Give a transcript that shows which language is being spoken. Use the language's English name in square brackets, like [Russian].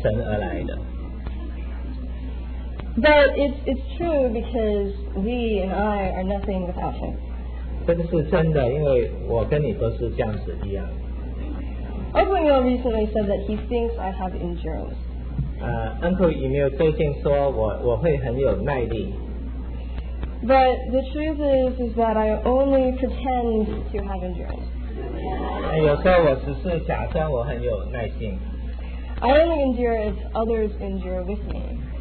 [English] But it's true because we and I are nothing without him. [Chinese] 这个是真的，因为我跟你都是这样子一样。 [English] Uncle Emil recently said that he thinks I have endurance. [Chinese] Uncle Emil 最近说我会很有耐力。 [English] But the truth is that I only pretend to have endurance. [Chinese] 有时候我只是假装我很有耐心。 [English] I only endure if others endure with me.